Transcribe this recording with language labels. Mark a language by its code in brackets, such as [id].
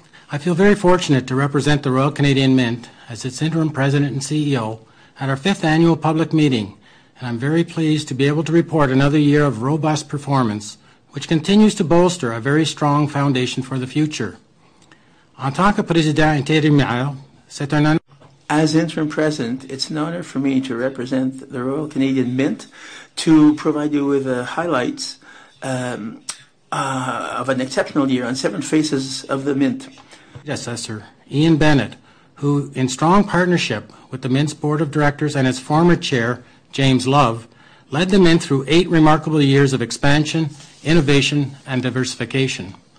[en] I feel very fortunate to represent the Royal Canadian Mint as its interim president and CEO at our fifth annual public meeting, and I'm very pleased to be able to report another year of robust performance, which continues to bolster a very strong foundation for the future. [fr] En tant que président intérimaire, c'est un honneur. [en] As interim president, it's an honor for me to represent the Royal Canadian Mint to provide you with highlights of an exceptional year on seven faces of the Mint. Predecessor Ian Bennett, who in strong partnership with the Mint's board of directors and its former chair, James Love, led the Mint through eight remarkable years of expansion, innovation, and diversification.